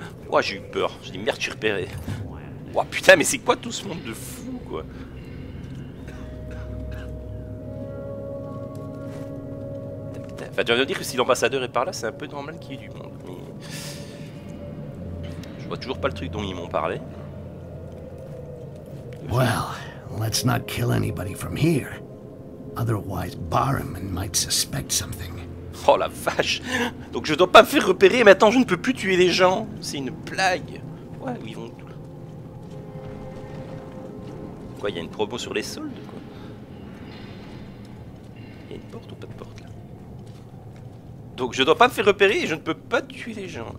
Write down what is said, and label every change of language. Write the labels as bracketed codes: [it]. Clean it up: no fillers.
[fr] Ouah, j'ai eu peur. J'ai dit merde, je suis repéré. Ouah, putain, mais c'est quoi tout ce monde de fou, quoi? Enfin, tu vas me dire que si l'ambassadeur est par là, c'est un peu normal qu'il y ait du monde. Mais... je vois toujours pas le truc dont ils m'ont parlé. [en] Well, let's not kill anybody from here. Otherwise, Barriman might suspect something. [fr] Oh la vache! Donc je dois pas me faire repérer, mais attends, je ne peux plus tuer les gens. C'est une blague. Ouais, où ils vont? Quoi, il y a une promo sur les soldes, quoi? Il y a une porte ou pas de porte, là? Donc je dois pas me faire repérer et je ne peux pas tuer les gens.